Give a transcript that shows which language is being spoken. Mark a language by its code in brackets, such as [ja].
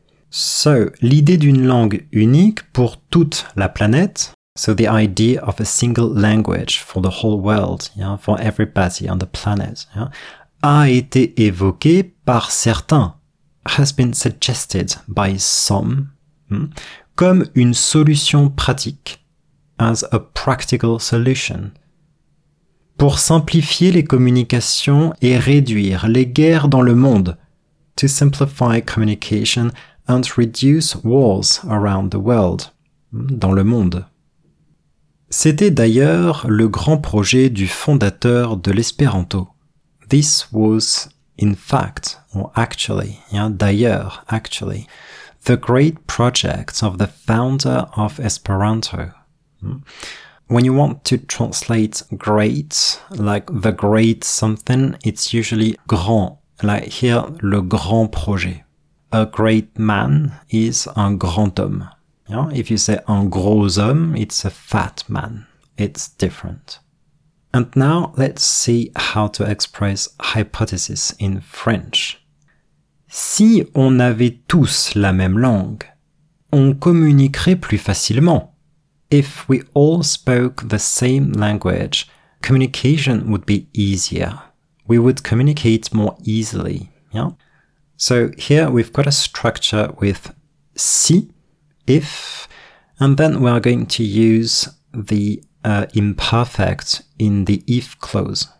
[fr] So, l'idée d'une langue unique pour toute la planète. [en] So, the idea of a single language for the whole world, for everybody on the planet, [fr] a été évoquée par certains. [en] Has been suggested by some. [fr] Comme une solution pratique. [en] As a practical solution. [fr] Pour simplifier les communications et réduire les guerres dans le monde. [en] To simplify communication and reduce wars around the world, [fr] dans le monde. C'était d'ailleurs le grand projet du fondateur de l'espéranto. [en] This was, in fact, or actually, d'ailleurs, actually, the great project of the founder of Esperanto. when you want to translate great, like the great something, it's usually grand. Like here, [fr] le grand projet. [en] A great man is [fr] un grand homme. [en] Yeah? If you say [fr] un gros homme, [en] it's a fat man. It's different. And now let's see how to express hypothesis in French. [fr] Si on avait tous la même langue, on communiquerait plus facilement. [en] If we all spoke the same language, communication would be easier. We would communicate more easily. Yeah? So here we've got a structure with si, if, and then we are going to use the imperfect in the if clause.